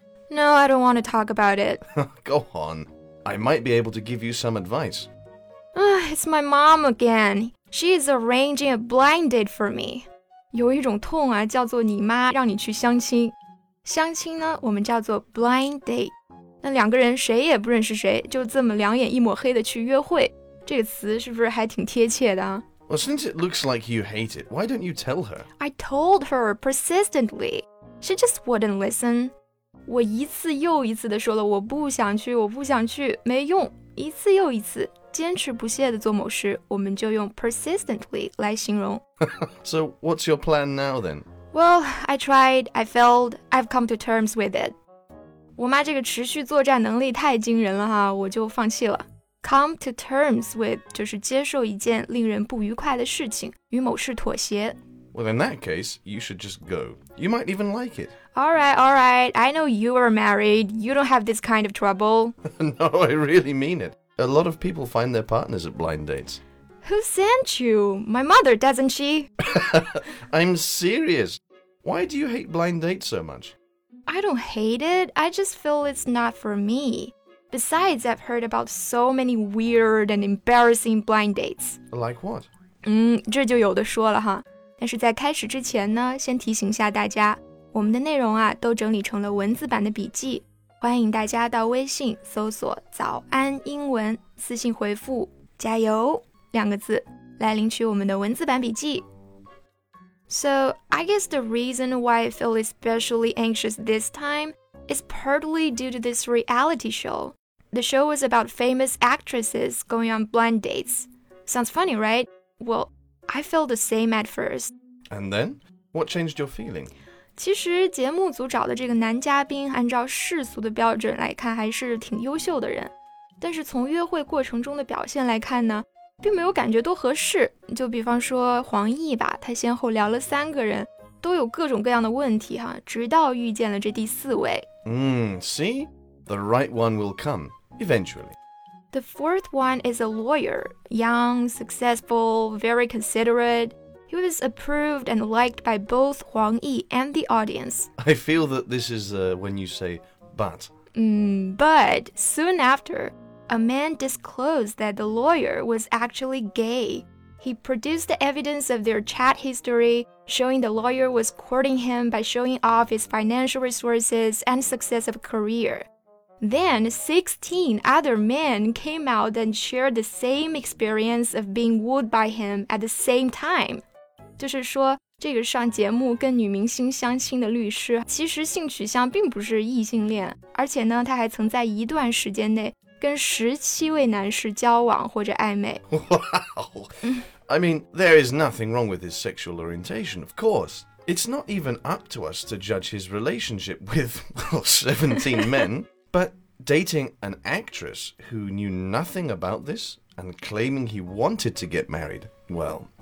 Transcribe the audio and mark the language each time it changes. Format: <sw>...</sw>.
<en>No, I don't want to talk about it. Go on. I might be able to give you some advice. It's my mom again. She is arranging a blind date for me.</en> <zh>有一种痛啊，叫做你妈让你去相亲。相亲呢，我们叫做 blind date。那两个人谁也不认识谁，就这么两眼一抹黑的去约会，这个词是不是还挺贴切的啊？</zh> <en>Well, since it looks like you hate it, why don't you tell her? I told her persistently. She just wouldn't listen.</en> <zh>我一次又一次的说了，我不想去，我不想去，没用。一次又一次。坚持不懈地做某事，我们就用 persistently 来形容。</zh> <en>So, what's your plan now then? Well, I tried, I failed, I've come to terms with it.</en> <zh>我妈这个持续作战能力太惊人了哈，我就放弃了。</zh> <en>Come to terms with</en> <zh>就是接受一件令人不愉快的事情，与某事妥协。</zh> <en>Well, in that case, you should just go. You might even like it. All right. I know you are married. You don't have this kind of trouble. No, I really mean it. A lot of people find their partners at blind dates. Who sent you? My mother, doesn't she? I'm serious. Why do you hate blind dates so much? I don't hate it. I just feel it's not for me. Besides, I've heard about so many weird and embarrassing blind dates. Like what?</en> <zh>这就有的说了哈。但是在开始之前呢，先提醒一下大家，我们的内容啊，都整理成了文字版的笔记。欢迎大家到微信搜索早安英文，私信回复加油两个字来领取我们的文字版笔记。</zh> <en>So, I guess the reason why I feel especially anxious this time is partly due to this reality show. The show was about famous actresses going on blind dates. Sounds funny, right? Well, I felt the same at first. And then? What changed your feeling?</en> <zh>其实节目组找的这个男嘉宾按照世俗的标准来看还是挺优秀的人，但是从约会过程中的表现来看呢，并没有感觉多合适。就比方说黄奕吧，他先后聊了三个人，都有各种各样的问题哈，直到遇见了这第四位。</zh> <en>See? The right one will come, eventually. The fourth one is a lawyer, young, successful, very considerate. He was approved and liked by both Huang Yi and the audience. I feel that this is when you say but. But soon after, a man disclosed that the lawyer was actually gay. He produced the evidence of their chat history, showing the lawyer was courting him by showing off his financial resources and success of career. Then 16 other men came out and shared the same experience of being wooed by him at the same time.</en> <zh>就是说这个上节目跟女明星相亲的律师其实性取向并不是异性恋，而且呢他还曾在一段时间内跟17位男士交往或者暧昧。</zh> <en>Wow! I mean, there is nothing wrong with his sexual orientation, of course. It's not even up to us to judge his relationship with, well, 17 men. But dating an actress who knew nothing about this and claiming he wanted to get married, well...</en>